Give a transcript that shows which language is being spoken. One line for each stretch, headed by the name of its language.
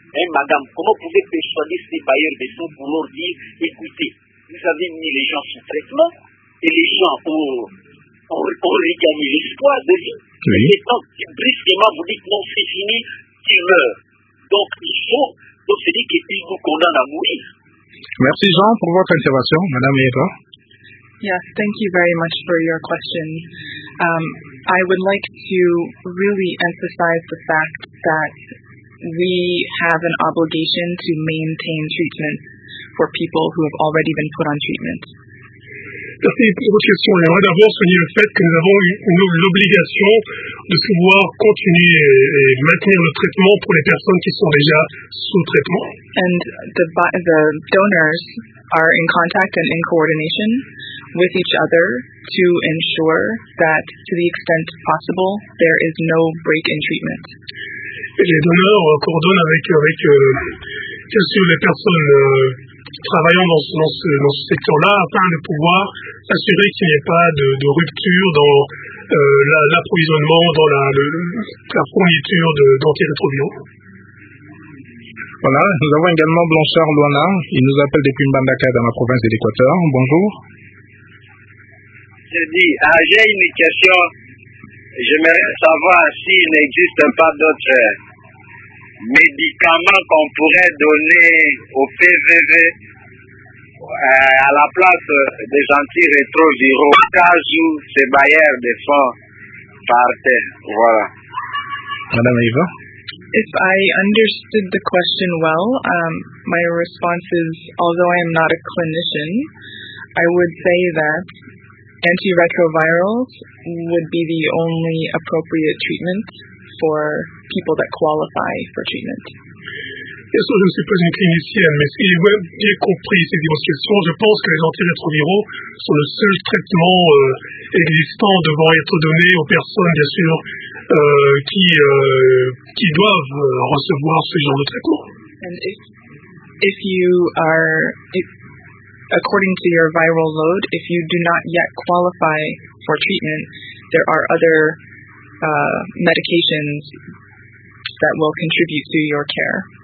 French: Hein, madame, comment pouvez-vous persuader ces bailleurs de fonds pour leur dire, écoutez, vous avez mis les gens sous traitement et les gens ont regagné l'espoir de vie. Oui. Et donc, brusquement, vous dites, non, c'est fini, tu meurs. Donc, il faut, donc c'est dit qu'ils vous condamnent à mourir. Merci Jean pour votre intervention, madame Eva.
English: Yes, thank you very much for your question. I would like to really emphasize the fact that we have an obligation to maintain treatment for people who have already been put on treatment.
French: Merci pour votre question. J'aimerais d'abord souligner le fait que nous avons l'obligation de pouvoir continuer et maintenir le traitement pour les personnes qui sont déjà sous traitement.
English: And the donors are in contact and in coordination with each other to ensure that, to the extent possible, there is no break in treatment.
French: Les donneurs coordonnent avec les personnes travaillant dans ce secteur-là afin de pouvoir s'assurer qu'il n'y ait pas de rupture dans l'approvisionnement, dans la fourniture d'antirétroviraux. Voilà, nous avons également Blanchard Luana, il nous appelle depuis Mbandaka dans la province de l'Équateur. Bonjour. J'ai une question. J'aimerais savoir s'il n'existe pas d'autres médicaments qu'on pourrait donner au PVV à la place des antirétroviraux, cas où ces bailleurs de fonds partaient. Voilà. Madame Eva?
English: If I understood the question well, my response is, although I am not a clinician, I would say that antiretrovirals would be the only appropriate treatment for people that qualify for treatment.
French: Bien sûr, je ne suis pas une clinicienne, mais si j'ai bien compris ces diverses questions, je pense que les antirétroviraux sont le seul traitement existant devant être donné aux personnes, bien sûr, qui doivent recevoir ce genre de traitement.
English: And if you are, according to your viral load, if you do not yet qualify for treatment, there are other medications that will contribute to your care.